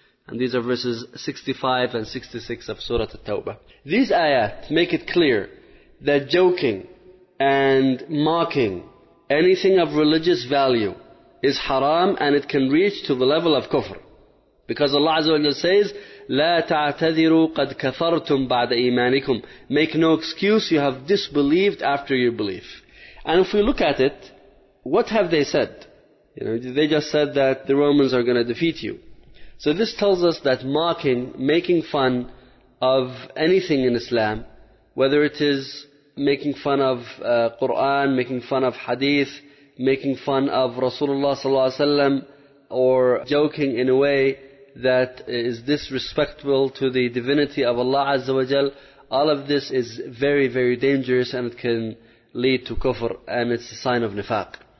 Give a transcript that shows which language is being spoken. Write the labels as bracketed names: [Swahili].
[English] And these are verses 65 and 66 of Surah At-Tawbah. These ayat make it clear that joking and mocking anything of religious value is haram, and it can reach to the level of kufr. Because Allah Azza wa Jalla says, [Arabic] لا تعتذروا قد كفرتم بعد إيمانكم. [English] Make no excuse, you have disbelieved after your belief. And if we look at it, what have they said? You know, they just said that the Romans are going to defeat you. So this tells us that mocking, making fun of anything in Islam, whether it is making fun of Quran, making fun of Hadith, making fun of Rasulullah sallallahu alaihi wasallam, or joking in a way that is disrespectful to the divinity of Allah Azza wa Jal, all of this is very, very dangerous and it can lead to kufr and it's a sign of nifaq.